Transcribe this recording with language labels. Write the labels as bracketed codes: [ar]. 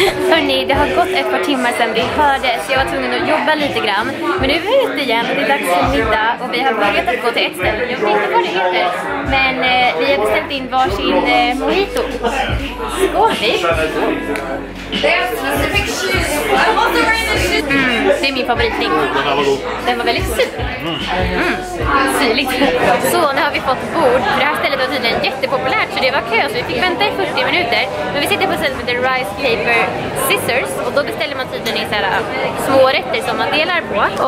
[sv] Hörrni, det har gått ett par timmar sedan vi hördes, så jag var tvungen att jobba lite grann. Men nu är vi ute igen, det är dags för middag och vi har börjat att gå till ett ställe. Jag vet inte vad det heter, men vi har beställt in varsin mojito. Skål! [en] They have specific shoes. I want the rain shoes. [sv] Det är min favoritdrink. Den var väldigt sur. Syrligt. Så nu har vi fått bord. Det här stället var tydligen jättepopulärt, så det var kö, så vi fick vänta i 40 minuter. Men vi sitter på stället med The Rice Paper Scissors, och då beställer man tydligen in såhär smårätter som man delar på.